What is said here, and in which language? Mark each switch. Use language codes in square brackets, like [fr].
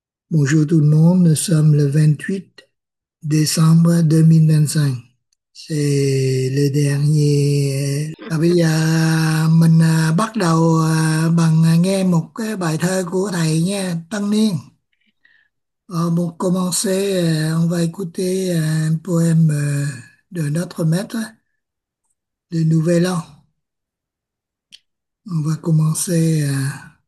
[fr] Bonjour tout le monde, nous sommes le 28 décembre 2025. C'est le dernier. [vi] Và bây giờ mình bắt đầu bằng nghe một cái bài thơ của thầy nha, Tân Niên. [fr] Bon, commencer, on va écouter un poème de notre maître. Le nouvel an. On va commencer à...